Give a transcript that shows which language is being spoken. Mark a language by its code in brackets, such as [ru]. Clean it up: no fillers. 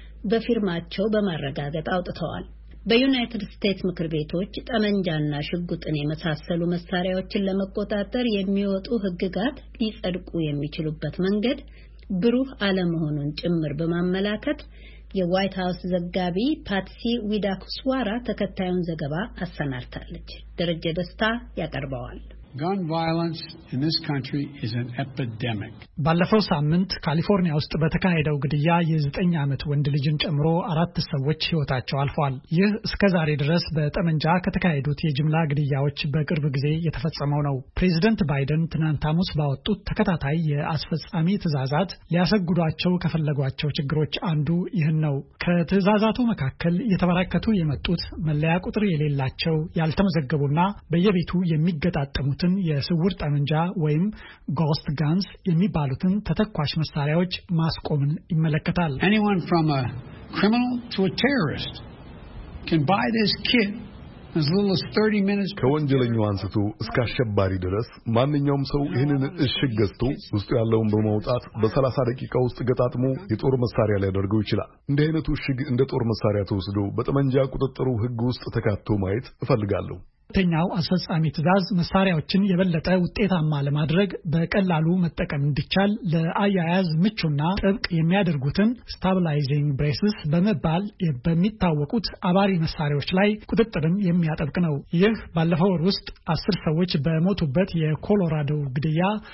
[am] በፊርማቸው በማረጋገጥ አውጥተዋል። በዩናይትድ ስቴትስ ምክር ቤቶች ጠመንጃና ሽጉጥን የመሳሰሉ መሳሪያዎችን ለመቆጣጠር የሚወጡ ህግጋት ሊጸድቁ የሚችሉበት መንገድ ብሩህ አለመሆኑን ጭምር በማመላከት የዋይት ሃውስ ዘጋቢ ፓትሲ ዊዳኩስዋራ ተከታዩን ዘገባ አሰናድታለች። ደረጀ ደስታ ያቀርባዋል። [en] Gun violence in this country is an epidemic. [am] ባለፈው ሳምንት ካሊፎርኒያ ውስጥ በተካሄደው ግድያ የ9 አመት ወንድ ልጅን ጨምሮ 4 ሰዎች ህይወታቸው አልፏል። ይህ እስከዛሬ ድረስ በጠመንጃ ከተካሄዱት የጅምላ ግድያዎች በቅርብ ጊዜ የተፈጸመው ነው። ፕሬዝዳንት ባይደን ትናንት አሙስ ባወጡት ተከታታይ የአስፈጻሚ ትዕዛዛት ሊያሰግዷቸው ከፈለጓቸው ችግሮች አንዱ ይህን ነው። ከትዕዛዛቱ መካከል የተበራከቱ የመጡት መለያ ቁጥር የሌላቸው ያልተመዘገቡና በየቤቱ የሚገጣጠሙ ሙትን የስውር ጠመንጃ ወይም ghost guns የሚባሉትን ተተኳሽ መሳሪያዎች ማስቆምን ይመለከታል። [en] Anyone from a criminal to a terrorist can buy this kit as little as 30 minutes. [am] ከወንጀለኛው አንስቶ እስከ አሸባሪ ድረስ ማንኛውም ሰው ይህንን እሽግ ገዝቶ ውስጥ ያለውን በመውጣት በ30 ደቂቃ ውስጥ ገጣጥሞ የጦር መሳሪያ ሊያደርገው ይችላል። እንዲህ አይነቱ እሽግ እንደ ጦር መሳሪያ ተወስዶ በጠመንጃ ቁጥጥሩ ህግ ውስጥ ተካቶ ማየት እፈልጋለሁ። ተኛው አስፈጻሚ ትዛዝ መሳሪያዎችን የበለጠ ውጤታማ ለማድረግ በቀላሉ መጠቀም እንዲቻል ለአያያዝ ምቹና ጥብቅ የሚያደርጉትን ስታብላይዚንግ ብሬስስ በመባል በሚታወቁት አባሪ መሳሪያዎች ላይ ቁጥጥርም የሚያጠብቅ ነው። ይህ ባለፈው ወር ውስጥ 10 ሰዎች በሞቱበት የኮሎራዶ ግድያ